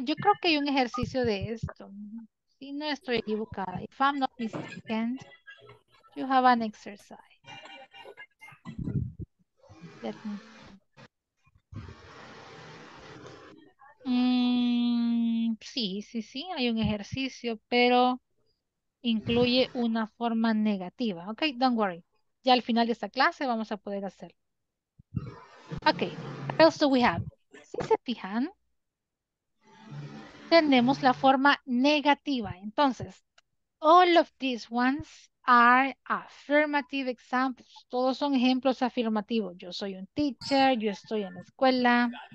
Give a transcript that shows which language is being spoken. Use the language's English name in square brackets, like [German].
[Spanish] Yo creo que hay un ejercicio de esto. Si no estoy equivocada. [English] If I'm not mistaken, you have an exercise. Let me. [Spanish] Sí, hay un ejercicio, pero incluye una forma negativa. [English] Ok, don't worry. [Spanish] Ya al final de esta clase vamos a poder hacerlo. [English] Ok, what else do we have? [Spanish] Si se fijan, tenemos la forma negativa. [English] Entonces, all of these ones are affirmative examples. [Spanish] Todos son ejemplos afirmativos. Yo soy un teacher, yo estoy en la escuela.